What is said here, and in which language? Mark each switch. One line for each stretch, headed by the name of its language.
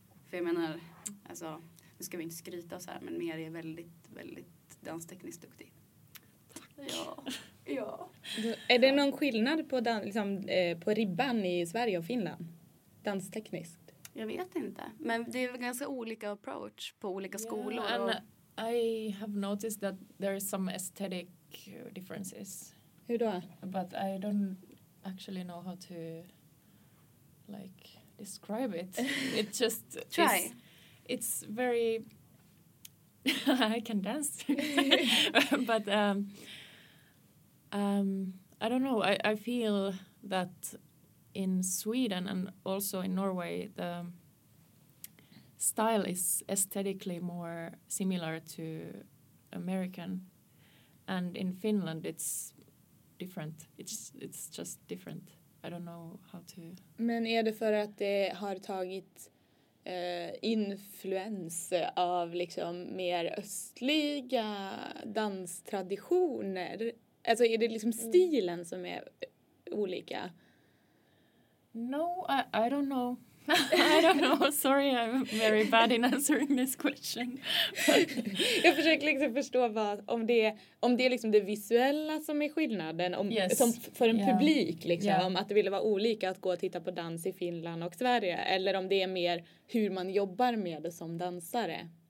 Swedish: För jag menar, alltså, nu ska vi inte skryta så här, men Meri är väldigt, väldigt danstekniskt duktig. Ja. Är det någon skillnad på, liksom, på ribban i Sverige och Finland? Danstekniskt? Jag vet inte. Men det är ganska olika approach på olika skolor.
English: And I have noticed that there is some aesthetic differences.
Swedish: Hur då?
English: But I don't actually know how to like describe it. It just try. It's very... I can dance. But... I don't know. I feel that in Sweden and also in Norway, the style is aesthetically more similar to American, and in Finland it's different. It's just different. I don't know how to.
Swedish: Men är det för att det har tagit influens av liksom mer östliga danstraditioner? Alltså, är det liksom stilen som är olika?
English: No, I don't know. I don't know. Sorry, I'm very bad in answering this question.
Swedish: Jag försöker liksom förstå vad, om det är liksom det visuella som är skillnaden. Om,
English: yes.
Swedish: Som för en
English: yeah.
Swedish: publik, liksom,
English: yeah.
Swedish: att det ville vara olika att gå och titta på dans i Finland och Sverige. Eller om det är mer hur man jobbar med det som dansare.